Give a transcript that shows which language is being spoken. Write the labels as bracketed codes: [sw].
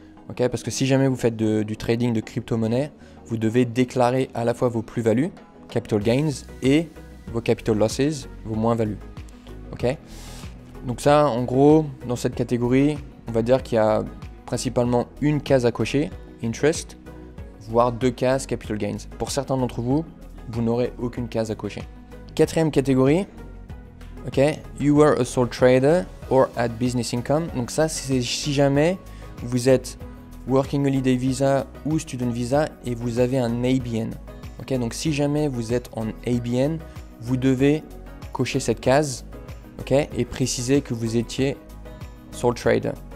[fr] Okay, parce que si jamais vous faites du trading de crypto-monnaie, vous devez déclarer à la fois vos plus-values, capital gains, et vos capital losses, vos moins-values. Okay. Donc ça, en gros, dans cette catégorie, on va dire qu'il y a principalement une case à cocher, interest, voire deux cases, capital gains. Pour certains d'entre vous, vous n'aurez aucune case à cocher. Quatrième catégorie, [en] okay, you were a sole trader or had business income. [fr] Donc ça, c'est si jamais vous êtes working holiday visa ou student visa et vous avez un ABN. Okay, donc si jamais vous êtes en ABN, vous devez cocher cette case, okay, et préciser que vous étiez sole trader.